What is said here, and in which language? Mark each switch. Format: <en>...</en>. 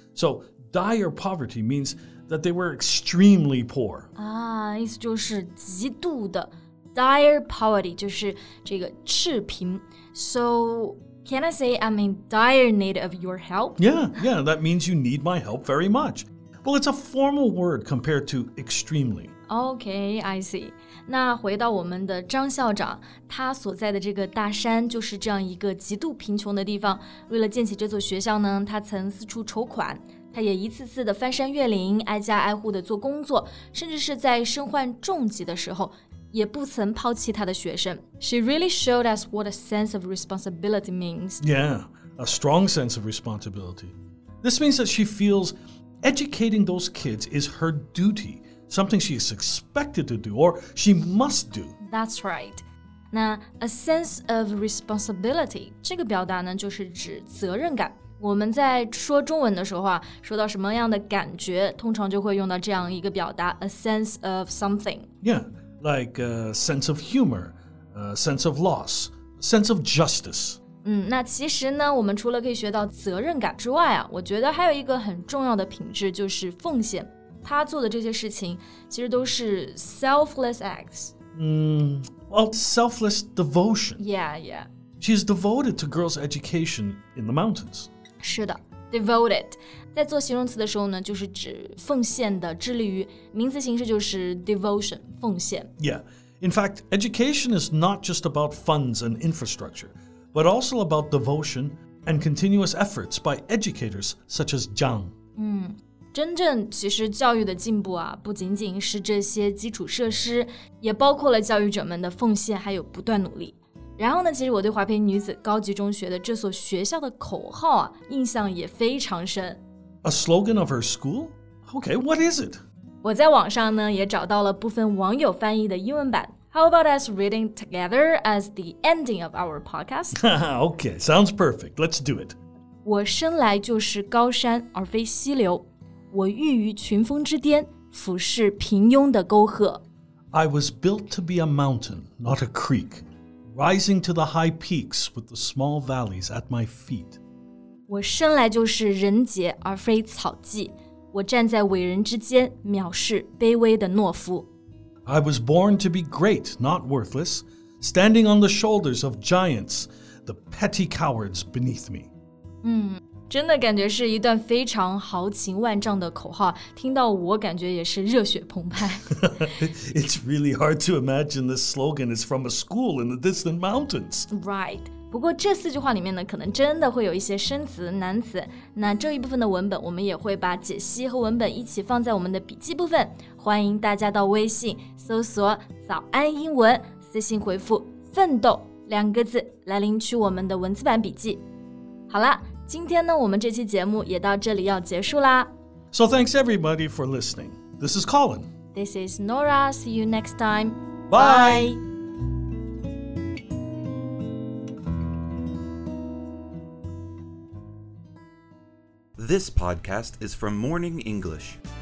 <en>So, dire poverty means that they were extremely poor.</en> <zh>意思就是极度的。</zh> <en>Dire poverty</en> <zh>就是这个赤贫。</zh> <en>So... Can I say I'm in dire need of your help? Yeah, that means you need my help very much. Well, it's a formal word compared to extremely. Okay, I see.</en> <zh>那回到我们的张校长，他所在的这个大山就是这样一个极度贫穷的地方。为了建起这座学校呢，他曾四处筹款，他也一次次的翻山越岭，挨家挨户的做工作，甚至是在身患重疾的时候也不曾抛弃他的学生。</zh> <en>She really showed us what a sense of responsibility means. Yeah, a strong sense of responsibility. This means that she feels educating those kids is her duty, something she is expected to do or she must do. That's right.</en> <zh>那</zh> <en>a sense of responsibility,</en> <zh>这个表达呢就是指责任感。我们在说中文的时候啊，说到什么样的感觉，通常就会用到这样一个表达</zh> <en>a sense of something. Yeah. Like a sense of humor, a sense of loss, a sense of justice.</en> <zh>那其实呢，我们除了可以学到责任感之外啊，我觉得还有一个很重要的品质就是奉献。他做的这些事情其实都是</zh> <en>selfless acts. Well, selfless devotion. Yeah. She's devoted to girls' education in the mountains.</en> <zh>是的。 Devoted, 在做形容词的时候呢，就是指奉献的，致力于，名词形式就是 devotion, 奉献。</zh> <en>Yeah, in fact, education is not just about funds and infrastructure, but also about devotion and continuous efforts by educators such as Zhang.</en> <zh>真正其实教育的进步啊，不仅仅是这些基础设施，也包括了教育者们的奉献还有不断努力。然后呢，其实我对华培女子高级中学的这所学校的口号啊，印象也非常深。</zh> <en>A slogan of her school? Okay, what is it?</en> <zh>我在网上呢，也找到了部分网友翻译的英文版。</zh> <en>How about us reading together as the ending of our podcast? Okay, sounds perfect. Let's do it.</en> <zh>我生来就是高山而非溪流，我育于群峰之巅，俯视平庸的沟壑。</zh> <en>I was built to be a mountain, not a creek. Rising to the high peaks with the small valleys at my feet.</en> <zh>我生来就是人杰而非草芥，我站在伟人之间，藐视卑微的懦夫。</zh> <en>I was born to be great, not worthless, standing on the shoulders of giants, the petty cowards beneath me.</en> <zh>真的感觉是一段非常豪情万丈的口号，听到我感觉也是热血澎湃。</zh> <en>It's really hard to imagine this slogan is from a school in the distant mountains. Right.</en> <zh>不过这四句话里面呢，可能真的会有一些生词、难词。那这一部分的文本，我们也会把解析和文本一起放在我们的笔记部分。欢迎大家到微信搜索“早安英文”，私信回复“奋斗”两个字来领取我们的文字版笔记。好了。今天呢，我们这期节目也到这里要结束啦。</zh> <en>So thanks everybody for listening. This is Colin. This is Nora. See you next time. Bye. Bye. This podcast is from Morning English.</en>